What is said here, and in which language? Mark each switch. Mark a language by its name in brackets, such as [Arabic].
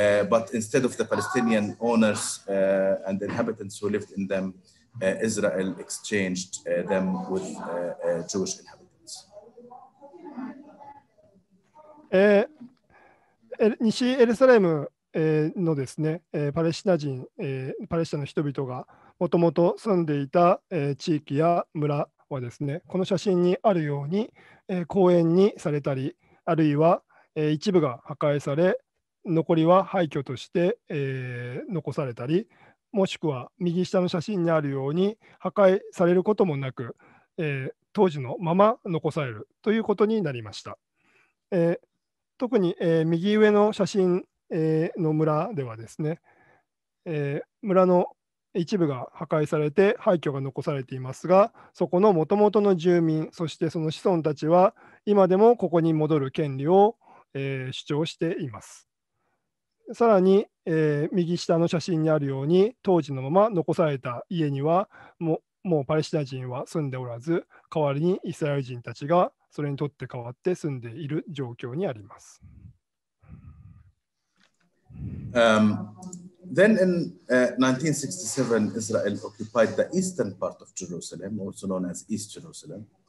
[English] But instead of the Palestinian owners and inhabitants who lived in them, Israel exchanged them with Jewish inhabitants. [Japanese] のですね、パレスチナ人、パレスチナの人々がもともと住んでいた地域や村はですね、この写真にあるように、公園にされたり、あるいは、一部が破壊され、残りは廃墟として、残されたり、もしくは右下の写真にあるように破壊されることもなく、当時のまま残されるということになりました。特に、右上の写真、の村ではですね、村の一部が破壊されて廃墟が残されていますが、そこのもともとの住民、そしてその子孫たちは今でもここに戻る権利を、主張しています。さらに、右下の写真にあるように当時のまま残された家にはもうパレスチナ人は住んでおらず、代わりにイスラエル人たちがそれにとって代わって住んでいる状況にあります。 [English] Then in 1967, Israel occupied the eastern part of Jerusalem, also known as East Jerusalem.